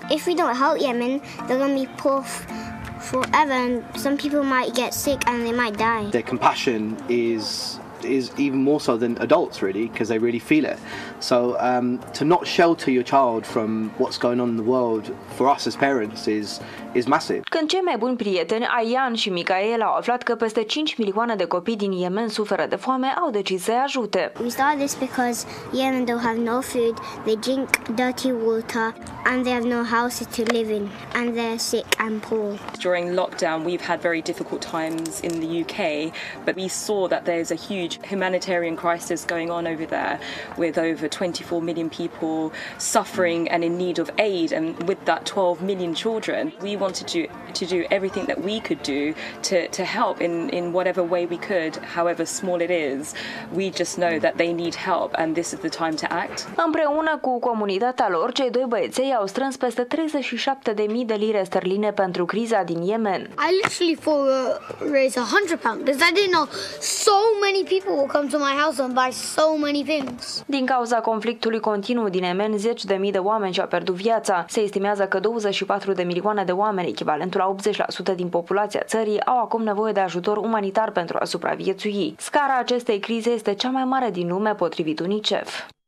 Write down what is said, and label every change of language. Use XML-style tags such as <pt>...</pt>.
<en>If we don't help Yemen, they're gonna be poor forever and some people might get sick and they might die. Their compassion is even more so than adults really, because they really feel it. So to not shelter your child from what's going on in the world for us as parents is massive.</en> <ro>Când cei mai buni prieteni, Ayan și Micael, au aflat că peste 5 milioane de copii din Yemen suferă de foame, au decis să-i ajute.</ro> <en>We started this because Yemen don't have no food, they drink dirty water and they have no houses to live in and they're sick and poor. During lockdown we've had very difficult times in the UK, but we saw that there's a huge humanitarian crisis going on over there with over 24 million people suffering and in need of aid, and with that 12 million children. We wanted to do everything that we could do to help in whatever way we could, however small it is. We just know that they need help and this is the time to act.</en> <ro>Împreună cu comunitatea lor, cei doi băieței au strâns peste 37.000 de lire sterline pentru criza din Yemen.</ro> <en>I literally thought I'd raise 100 pounds because I didn't know so many people will come to my house and buy so many things.</en> <ro>Din cauza conflictului continuu din Yemen, 10.000 de oameni și-au pierdut viața. Se estimează că 24 de milioane de oameni, echivalentul la 80% din populația țării, au acum nevoie de ajutor umanitar pentru a supraviețui. Scara acestei crize este cea mai mare din lume, potrivit UNICEF.</ro>